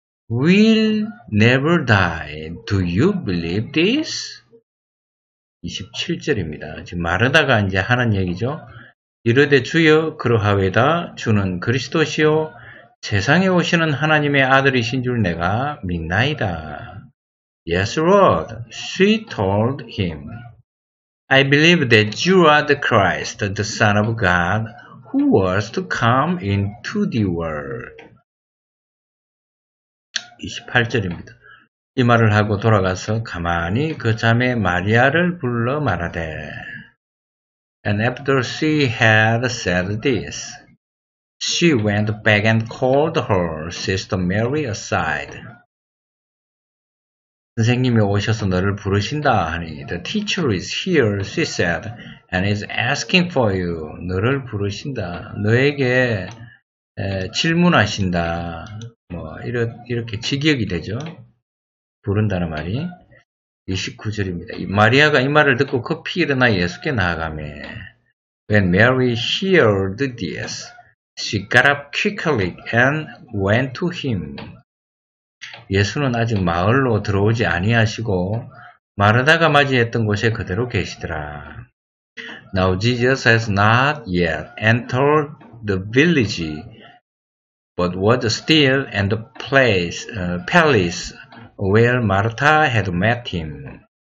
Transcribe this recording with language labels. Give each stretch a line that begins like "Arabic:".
English: Will never die. Do you believe this?
Korean: 27절입니다. 지금 마르다가 이제 하는 얘기죠. 이르되 주여 그러하외다. 주는 그리스도시요 세상에 오시는 하나님의 아들이신 줄 내가 믿나이다.
English: Yes, Lord. She told him. I believe that you are the Christ, the Son of God. Who was to come into the world?
Korean: 28절입니다. 이 말을 하고 돌아가서 가만히 그 자매 마리아를 불러 말하되.
English: And after she had said this, she went back and called her sister Mary aside.
Korean: 선생님이 오셔서 너를 부르신다 하니
English: The teacher is here, she said, and is asking for you.
Korean: 너를 부르신다. 너에게 질문하신다. 뭐 이렇게 직역이 되죠. 부른다는 말이 29절입니다. 마리아가 이 말을 듣고 급히 일어나 예수께 나아가며
English: When Mary heard this, she got up quickly and went to him.
Korean: 예수는 아직 마을로 들어오지 아니하시고 마르다가 맞이했던 곳에 그대로 계시더라.
English: Now Jesus has not yet entered the village, but was still in the place, palace where Martha had met him.